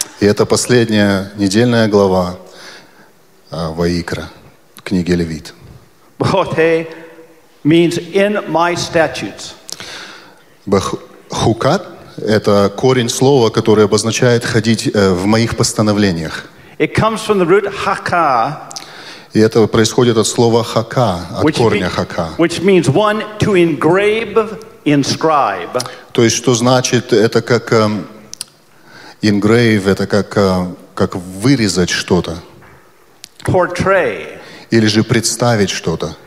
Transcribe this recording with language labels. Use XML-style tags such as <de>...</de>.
<ru>И это последняя недельная глава Vayikra, книги Левит.</ru> <en>Bechoteh means in my statutes.</en> <ru>Бехукат – это корень слова, которое обозначает ходить в моих постановлениях.</ru> <en>It comes from the root haka.</en> <ru>И это происходит от слова хака, от корня хака.</ru> <en>Which means one to engrave, inscribe.</en> <ru>То есть что значит это как engrave, это как вырезать что-то.</ru> <en>Portray.</en> <ru>Или же представить что-то.</ru>